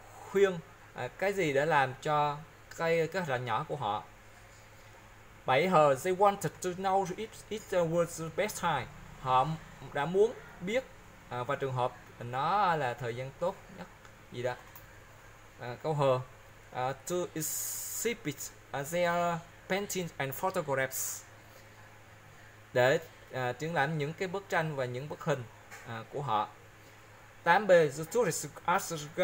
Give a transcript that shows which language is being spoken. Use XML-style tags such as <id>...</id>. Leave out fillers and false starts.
<vi>Khuyên cái gì để làm cho cái kế hoạch nhỏ của họ. 7H.</vi> <en>They wanted to know if it was the best time.</en> <vi>Họ đã muốn biết và trường hợp nó là thời gian tốt nhất gì đó. Câu H.</vi> <en>To exhibit their paintings and photographs.</en> <vi>Để triển lãm những cái bức tranh và những bức hình của họ. 8B.</vi> <en>The tourists asked the guy.</en>